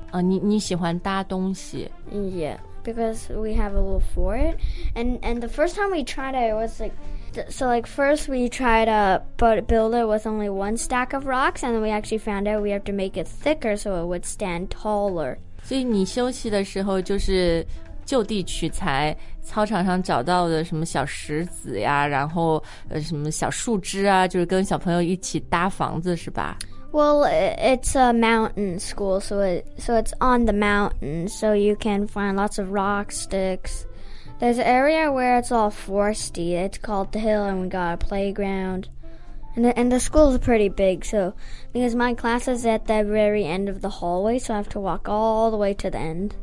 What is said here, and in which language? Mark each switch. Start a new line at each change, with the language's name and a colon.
Chinese: 啊，你喜欢搭东西
English: ？Yeah, because we have a little fort, and the first time we tried it, it was like. So, like, first we tried to build it with only one stack of rocks, and then we actually found out we have to make it thicker so it would stand taller.
Chinese: 所以你休息的时候就是就地取材，操场上找到的什么小石子呀，然后什么小树枝啊，就是跟小朋友一起搭房子，是吧？
English: Well, it's a mountain school, so it's on the mountain, so you can find lots of rock sticks. There's an area where it's all foresty. It's called the hill, and we got a playground. And the school's pretty big, so... Because my class is at the very end of the hallway, so I have to walk all the way to the end.